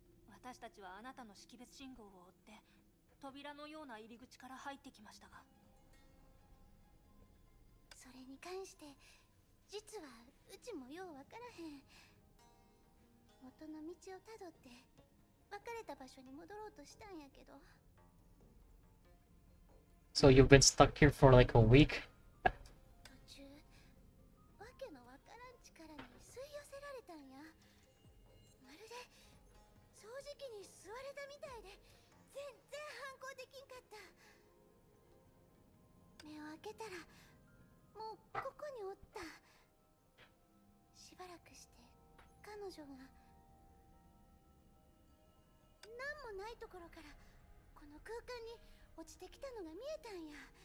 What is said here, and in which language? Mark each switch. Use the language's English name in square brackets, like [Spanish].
[Japanese] 私たちはあなたの識別信号を追って扉のような入り口から入ってきましたが、それに関して実はうちもようわからへん。元の道をたどって別れた場所に戻ろうとしたんやけど。 [English] So you've been stuck here for like a week? [Japanese] 途中、わけのわからん力に吸い寄せられたんや。まるで掃除機に吸われたみたいで全然反抗できんかった。目を開けたらもうここにおった。しばらくして彼女が何もないところからこの空間に落ちてきたのが見えたんや。